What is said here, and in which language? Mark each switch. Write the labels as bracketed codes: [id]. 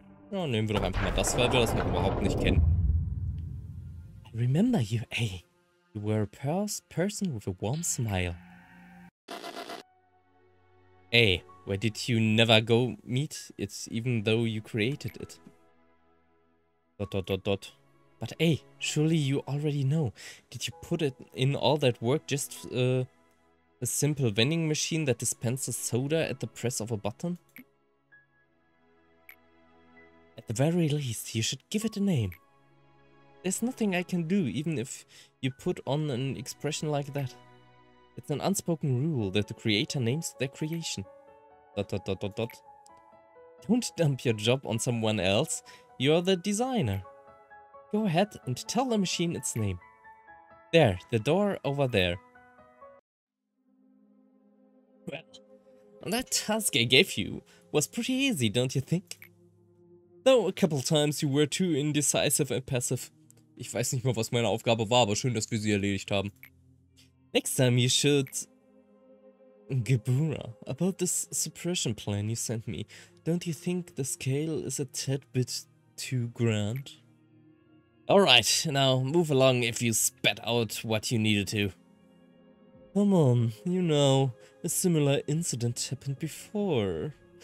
[de] Ja, nehmen wir doch einfach mal das, weil wir das noch überhaupt nicht kennen. [en] I remember you, ey. You were a person with a warm smile. Ey, where did you never go meet it, even though you created it? Dot, dot, dot, dot. But ey, surely you already know. Did you put it in all that work just a simple vending machine that dispenses soda at the press of a button? At the very least, you should give it a name. There's nothing I can do, even if you put on an expression like that. It's an unspoken rule that the creator names their creation. Dot, dot, dot, dot, dot. Don't dump your job on someone else. You're the designer. Go ahead and tell the machine its name. There, the door over there. Well, that task I gave you was pretty easy, don't you think? Though a couple times you were too indecisive and passive. [de] Ich weiß nicht mehr, was meine Aufgabe war, aber schön, dass wir sie erledigt haben. [en] Next time you should... Gebura, about this suppression plan you sent me, don't you think the scale is a tad bit too grand? Alright, now move along if you spat out what you needed to. Come on, you know, a similar incident happened before.